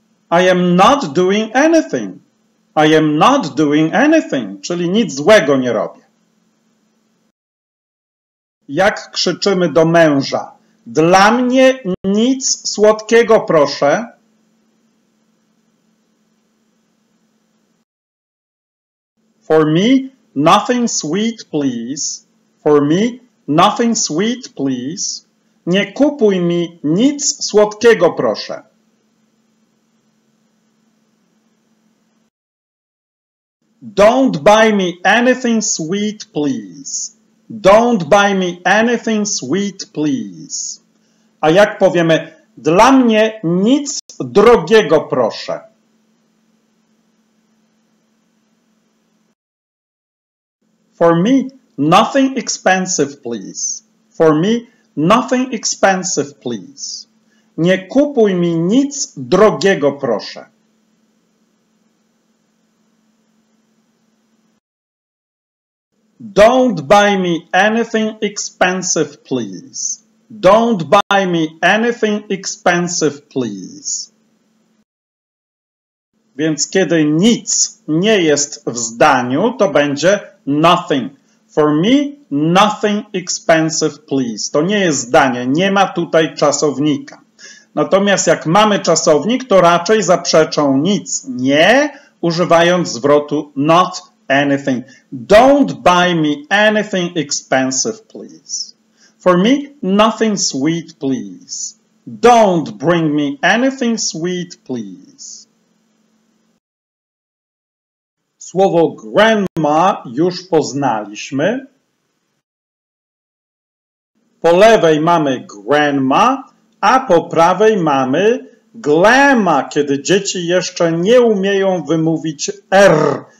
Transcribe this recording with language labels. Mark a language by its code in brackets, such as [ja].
[en] I am not doing anything. I am not doing anything. [pl] Czyli nic złego nie robię. Jak krzyczymy do męża? Dla mnie nic słodkiego, proszę. [en] For me, nothing sweet, please. For me, nothing sweet, please. [pl] Nie kupuj mi nic słodkiego, proszę. [en] Don't buy me anything sweet, please. Don't buy me anything sweet, please. [pl] A jak powiemy, dla mnie nic drogiego, proszę. [en] For me, nothing expensive, please. For me, nothing expensive, please. [pl] Nie kupuj mi nic drogiego, proszę. [en] Don't buy me anything expensive, please. Don't buy me anything expensive, please. [pl] Więc kiedy nic nie jest w zdaniu, to będzie nothing. [en] For me, nothing expensive, please. [pl] To nie jest zdanie, nie ma tutaj czasownika. Natomiast jak mamy czasownik, to raczej zaprzeczą nic, nie, używając zwrotu not anything. [en] Don't buy me anything expensive, please. For me, nothing sweet, please. Don't bring me anything sweet, please. [pl] Słowo grandma już poznaliśmy. Po lewej mamy grandma, a po prawej mamy glamma, kiedy dzieci jeszcze nie umieją wymówić R.